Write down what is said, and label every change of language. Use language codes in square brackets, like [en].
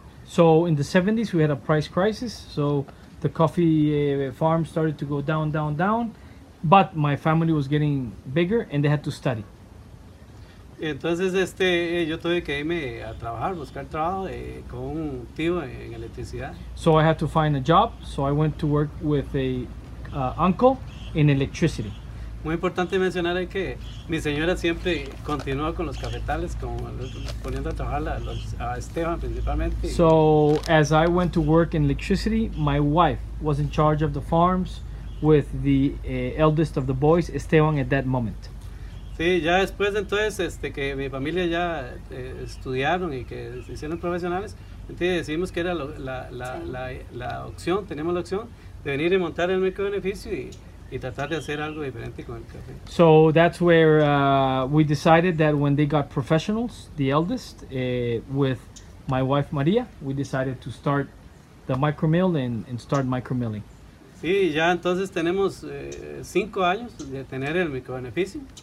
[en] So in the 70s we had a price crisis, so the coffee farm started to go down, but my family was getting bigger and they had to study. [es] Entonces yo tuve que irme a trabajar, buscar trabajo con un tío en electricidad. [en] So I had to find a job, so I went to work with a uncle in electricity. [es] Muy importante mencionar que mi señora siempre continuó con los cafetales, poniendo a trabajar a Esteban principalmente. [en] So as I went to work in electricity, my wife was in charge of the farms with the eldest of the boys, Esteban, at that moment. [es] Sí, ya después entonces que mi familia ya estudiaron y que se hicieron profesionales, entonces decidimos que era la opción, teníamos la opción de venir y montar el microbeneficio y tratar de hacer algo diferente con el café. [en] So that's where we decided that when they got professionals, the eldest, with my wife Maria, we decided to start the micro mill and start micro milling. [es] Sí, ya entonces tenemos 5 años de tener el microbeneficio.